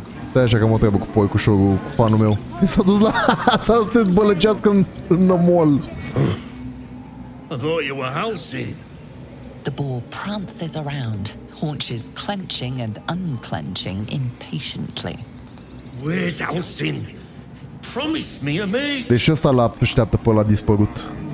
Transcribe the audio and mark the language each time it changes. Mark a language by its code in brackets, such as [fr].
[ro] Stai așa că mă trebuie cu porcușorul, cu fanul meu. Mi s-a dus la... s-a dus să-ți bălăcească în nămol. [en] I thought you were halcyon. The boar prances around, haunches clenching and unclenching impatiently. Where's halcyon? Promise me a mate. [ro] Deci ăsta l-a așteaptă pe ăla dispărut.